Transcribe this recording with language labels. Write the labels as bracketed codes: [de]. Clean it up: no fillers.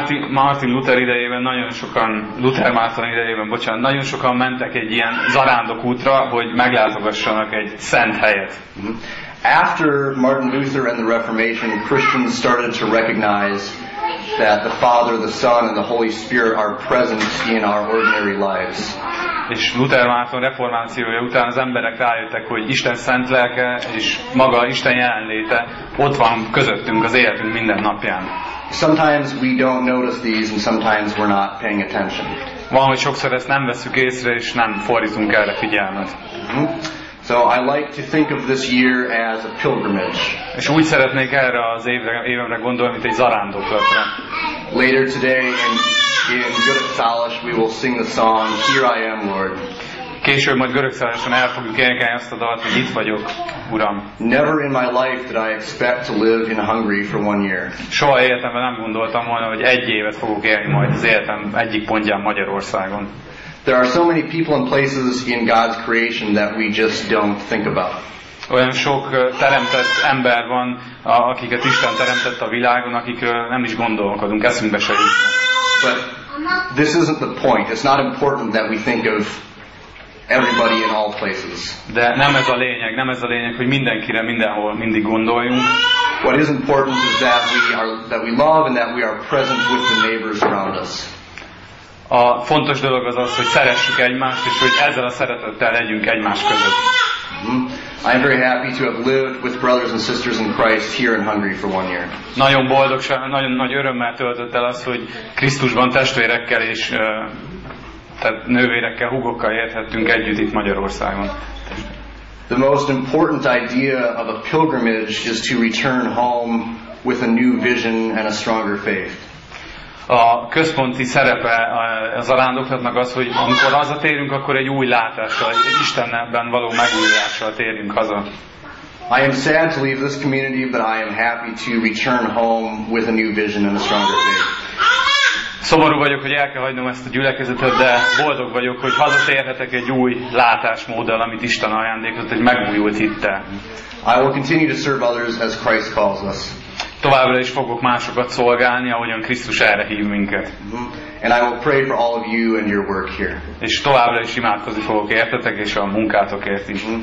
[hu] Martin Luther idejében nagyon sokan, Luther Márton idejében, bocsánat, nagyon sokan mentek egy ilyen zarándok útra, hogy meglátogassanak egy szent helyet. [en] After Martin Luther and the Reformation, Christians started to recognize that the Father, the Son, and the Holy Spirit are present in our ordinary lives. [hu] És Luther Márton reformációja után az emberek rájöttek, hogy Isten szent lelke és maga Isten jelenléte ott van közöttünk az életünk minden napján. [en] Sometimes we don't notice these and sometimes we're not paying attention. [hu] Van, hogy sokszor ezt nem veszük észre és nem fordítunk erre figyelmet. [en] So I like to think of this year as a pilgrimage. [hu] És úgy szeretnék erre az évemre gondolni, mint egy zarándoklatra. [en] Later today in Görögszállás we will sing the song Here I Am Lord. [hu] Később majd Görögszálláson el fogjuk énekelni azt a dalt, hogy itt vagyok, Uram. [en] Never in my life did I expect to live in Hungary for one year. [hu] Soha életemben nem gondoltam volna, hogy egy évet fogok élni majd az életem egyik pontján Magyarországon. [en] There are so many people and places in God's creation that we just don't think about. [hu] Olyan sok teremtett ember van, akiket Isten teremtett a világon, akikről nem is gondolkodunk, eszünkbe se jutnak. [en] But this isn't the point. It's not important that we think of everybody in all places. [hu] De nem ez a lényeg, nem ez a lényeg, hogy mindenkire mindenhol mindig gondoljunk. [en] What is important is that we love and that we are present with the neighbors around us. [hu] A fontos dolog az az, hogy szeressük egymást, és hogy ezzel a szeretettel legyünk egymás között. [en] I am very happy to have lived with brothers and sisters in Christ here in Hungary for one year. [hu] Nagyon boldogság, nagyon nagy örömmel töltött el az, hogy Krisztusban testvérekkel és tehát nővérekkel, húgokkal érthettünk együtt itt Magyarországon. [en] The most important idea of a pilgrimage is to return home with a new vision and a stronger faith. [hu] A központi szerepe a zarándoklatnak az, hogy amikor hazatérünk, akkor egy új látással, egy Istenben való megújulással térünk haza. [en] I am sad to leave this community, but I am happy to return home with a new vision and a stronger faith. [hu] Szomorú vagyok, hogy el kell hagynom ezt a gyülekezetet, de boldog vagyok, hogy hazatérhetek egy új látásmóddal, amit Isten ajándékozott, egy megújult hittel. [en] I will continue to serve others as Christ calls us. [hu] Továbbra is fogok másokat szolgálni, ahogyan Krisztus erre hív minket. [en] And I will pray for all of you and your work here. [hu] És továbbra is imádkozni fogok értetek és a munkátokért is.